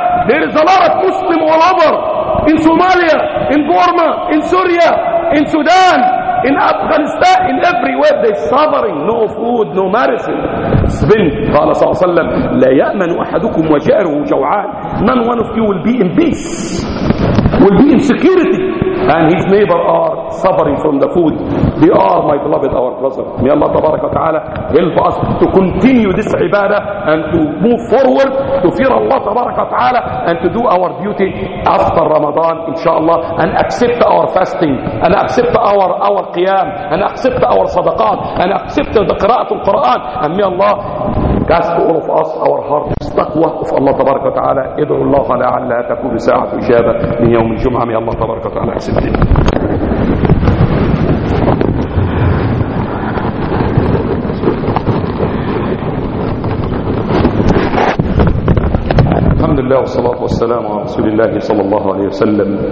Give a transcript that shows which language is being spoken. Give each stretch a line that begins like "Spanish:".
English: There is a lot of Muslim all over in Somalia, in Burma, in Syria, in Sudan, in Afghanistan, in everywhere they suffering, no food, no medicine. Spin.
Arabic: قال صلى الله عليه وسلم لا يأمن أحدكم وجاره جوعان.
English: None one of you will be in peace, will be in security, and his neighbor are suffering from the food. They are my beloved, our brother. May Allah
Arabic: تبارك وتعالى
English: help us to continue this ibadah and to move forward to fear Allah تبارك وتعالى and to do our duty after Ramadan inshallah and accept our fasting and accept our قيام and accept our صدقات and accept the
Arabic: قراءة القرآن.
English: And may Allah cast all of us our hearts
Arabic: تقوى في الله تبارك وتعالى. ادعو الله لعلها تكون ساعة إجابة من يوم الجمعة. من الله تبارك وتعالى حسبنا. الحمد لله والصلاة والسلام على رسول الله صلى الله عليه وسلم.